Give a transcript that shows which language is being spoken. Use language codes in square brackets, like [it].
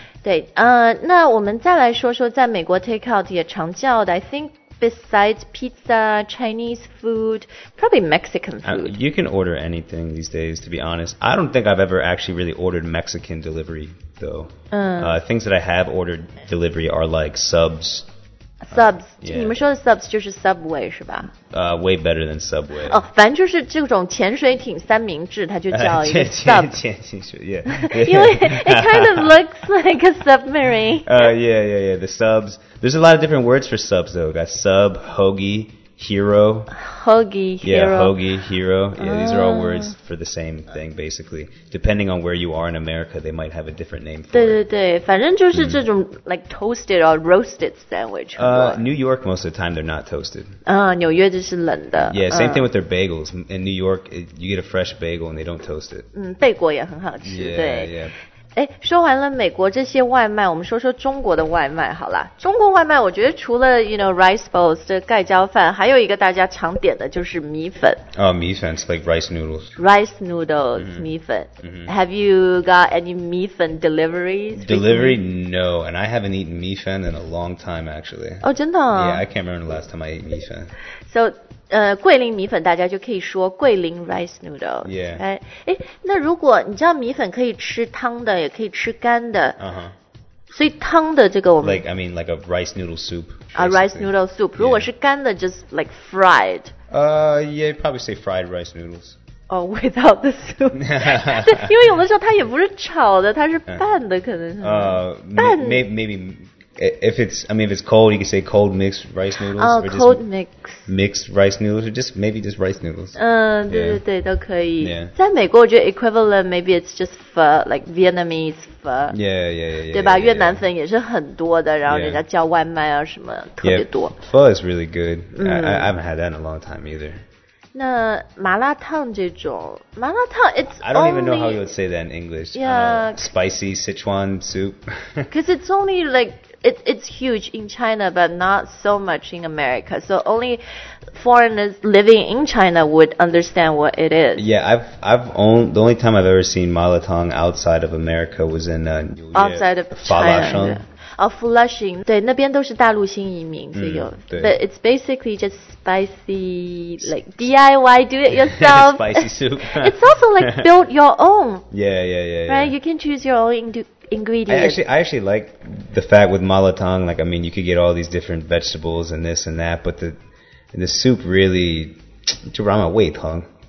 [zh] 对那我们再来说说在美国 takeout 也常叫的 [en] I thinkBesides pizza, Chinese food, probably Mexican food. You can order anything these days, to be honest. I don't think I've ever actually really ordered Mexican delivery, though. Things that I have ordered delivery are like subs. [zh] Subs. 你们说的 subs 就是 Subway, 是吧？ [en] Way better than Subway. [zh] 哦，反正就是这种潜水艇三明治，它就叫一个 sub. 潜水艇因为 [en] it kind of looks like a submarine. The subs. There's a lot of different words for subs, though. We've got sub, hoagie, hero. Hoagie, hero. Yeah, hoagie, hero. Yeah, these are all words for the same thing, basically. Depending on where you are in America, they might have a different name for [zh] 对对对对对对，反正就是这种 [en] like toasted or roasted sandwich. New York, most of the time, they're not toasted. [zh] 纽约就是冷的。 [en] Yeah, same thing with their bagels. In New York, you get a fresh bagel and they don't toast it. [zh] 贝果也很好吃， [en] yeah, [zh] 对。 [en] Yeah, yeah. [zh] 哎，说完了美国这些外卖，我们说说中国的外卖好了。中国外卖，我觉得除了 [en] you know rice balls [zh] 的盖浇饭，还有一个大家常点的就是米粉。 [en] 米粉 ，it's like rice noodles. Rice noodles, 米粉。Have you got any 米粉 deliveries? Delivery? No, and I haven't eaten 米粉 in a long time actually. [zh] 哦，真的？ [en] Yeah, I can't remember the last time I ate 米粉。 [zh] So. 桂林米粉大家就可以说桂林 rice noodles、 [en] yeah. [zh] 哎、那如果你知道米粉可以吃汤的也可以吃干的、 [en] uh-huh. [zh] 所以汤的这个我们 [en] like, I mean like a rice noodle soup、 basically. A rice noodle soup、 yeah. [zh] 如果是干的 [en] just like fried Yeah, probably say fried rice noodles Oh, without the soup [zh] 对因为有的时候它也不是炒的它是拌的可能是、拌 [en] maybeIf it's, I mean, if it's cold, you can say cold mixed rice noodles. Oh, cold mix. Mixed rice noodles, or just maybe just rice noodles. [zh] 对对对，都可以。 [en] Yeah. [zh] 在美国，我觉得 [en] equivalent maybe it's just pho, like Vietnamese pho. Yeah, yeah, yeah. yeah [zh] 对吧？ [en] Yeah, yeah. [zh] 越南粉也是很多的，然后人家叫外卖啊什么 [en] yeah. [zh] 特别多。 [en] Yeah, pho is really good. I haven't had that in a long time either. [zh] 那麻辣烫这种麻辣烫 it's [en] I don't only, even know how you would say that in English. Yeah. Spicy Sichuan soup. Because it's only like. It's huge in China, but not so much in America. So only foreigners living in China would understand what it is. Yeah, the only time I've ever seen mala tang outside of America was in outside of China. Flushing. [zh] 对，那边都是大陆新移民，所以有。 [en] But it's basically just spicy, like DIY, do it yourself. Spicy soup. It's also like build your own. Yeah, yeah, yeah. Right, yeah. You can choose your own ingredients. I actually like the fact with mala tang, like, I mean, you could get all these different vegetables and this and that, but the soup really, it's around my weight, huh?